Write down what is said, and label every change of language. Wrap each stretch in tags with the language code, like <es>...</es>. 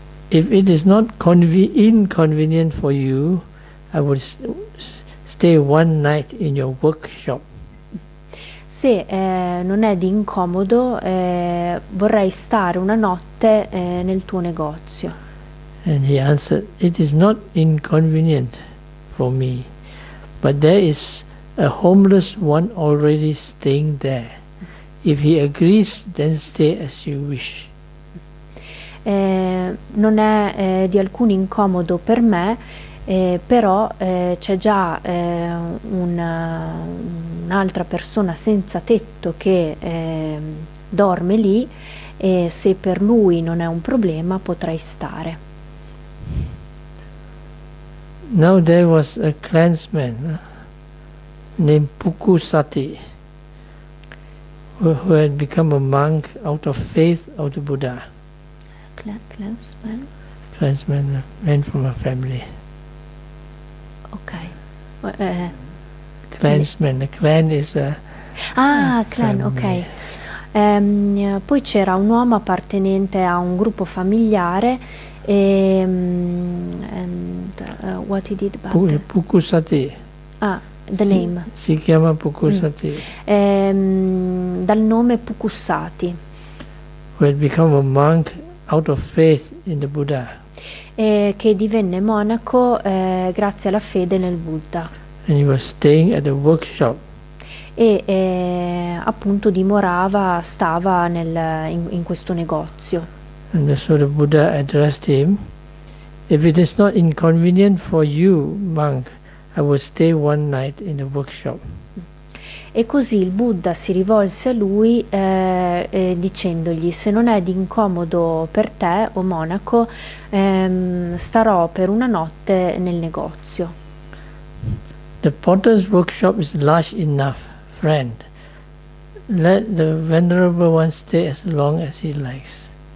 <en>If it is not inconvenient for you, I would stay one night in your workshop.</en> <it>Se non è di incomodo, vorrei stare una notte nel tuo negozio.</it> <en>And he answered, it is not inconvenient for me. But there is a homeless one already staying there. If he agrees, then stay as you wish.</en> <it>Non è di alcun incomodo per me, però c'è già un'altra persona senza tetto che dorme lì e se per lui non è un problema potrei stare.</it> <en>Now there was a clansman named Pukusati who had become a monk out of faith of the Buddha. Clansman, a man from a family. Okay. Clansman, the clan is a... Ah, a clan, family. Okay.</en> <it>Poi c'era un uomo appartenente a un gruppo familiare.</it> <en>And what he did about Pukusati. Ah, the name.</en> <it>Si chiama Pukusati. Dal nome Pukusati.</it> <en>Who had become a monk out of faith in the Buddha.</en> <it>Che divenne monaco grazie alla fede nel Buddha.</it> <en>And he was staying at a workshop.</en> <it>Appunto dimorava, stava nel, in questo negozio.</it> <en>And so the Buddha addressed him. If it is not inconvenient for you, monk, I will stay one night in the workshop.</en> <it>E così il Buddha si rivolse a lui dicendogli: se non è d'incomodo per te, o monaco, starò per una notte nel negozio.</it> <en>The potter's workshop is large enough, friend. Let the venerable one stay as long as he likes.</en>